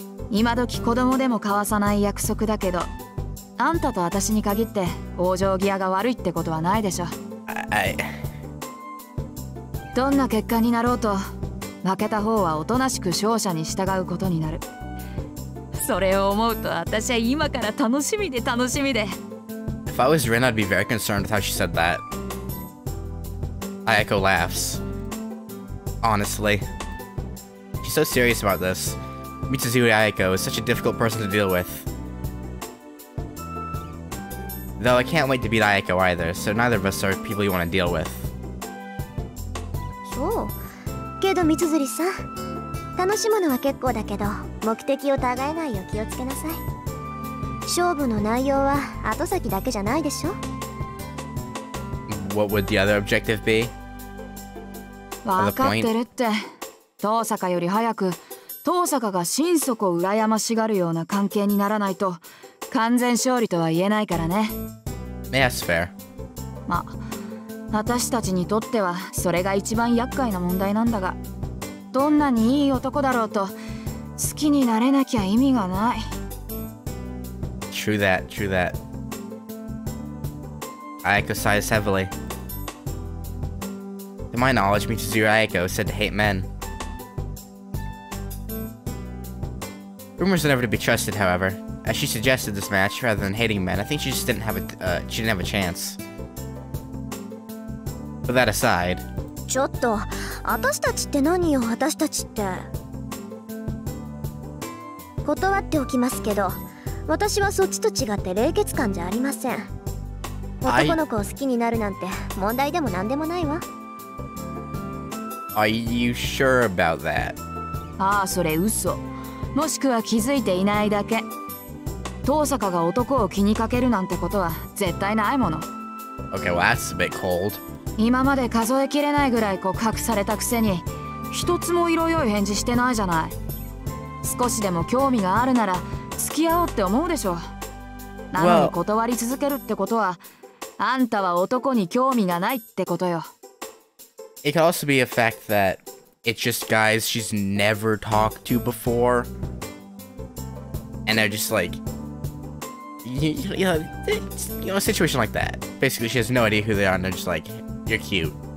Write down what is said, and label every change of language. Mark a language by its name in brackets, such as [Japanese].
[Japanese] 今時子供でも交わさない約束だけど、あんたと私に限って往生際が悪いってことはないでしょ。はい。どんな結果になろうと。負けた方はおとなしく勝者に従うことになる。それを思うと私は今から楽しみで楽しみで。 [English] If I was Rin, I'd be very concerned with how she said that. Ayako laughs. Honestly. She's so serious about this. Mitsuzui Ayako is such a difficult person to deal with. Though I can't wait to beat Ayako either, so neither of us are people you want to deal with. [Japanese] けど、みつづりさん、楽しむのは結構だけど、目的を違えないよう気をつけなさい。勝負の内容は後先だけじゃないでしょ。 [English] What would the other objective be? [Japanese] わかってるって。遠坂より早く、遠坂が心底羨ましがるような関係にならないと、完全勝利とは言えないからね。 [English] Yes, fair. [Japanese] ま私たちにとってはそれが一番厄介な問題なんだが、どんなにいい男だろうと好きになれなきゃ意味がない。 [English] True that, true that. Ayako sighs heavily. To my knowledge, Mitsuzui Ayako is said to hate men. Rumors are never to be trusted, however. As she suggested this match, rather than hating men, I think she just didn't have she didn't have a chance. With that aside, [Japanese] ちょっと、私たちって何よ、私たちって。断っておきますけど、私はそっちと違って冷血感じゃありません。男の子を好きになるなんて問題でも何でもないわ。 [English] Are you sure about that? [Japanese] ああそれ嘘、もしくは気づいていないだけ。東坂が男を気にかけるなんてことは絶対ないもの。 [English] OK, well that's a bit cold. [Japanese] 今まで数えきれないぐらい告白されたくせに一つも色良い返事してないじゃない。少しでも興味があるなら付き合おうって思うでしょ。なのに断り続けるってことは、あんたは男に興味がないってことよ。 [English] It could also be a fact that it's just guys she's never talked to before. And they're just like, you know, a situation like that. Basically, she has no idea who they are and they're just like, you're cute.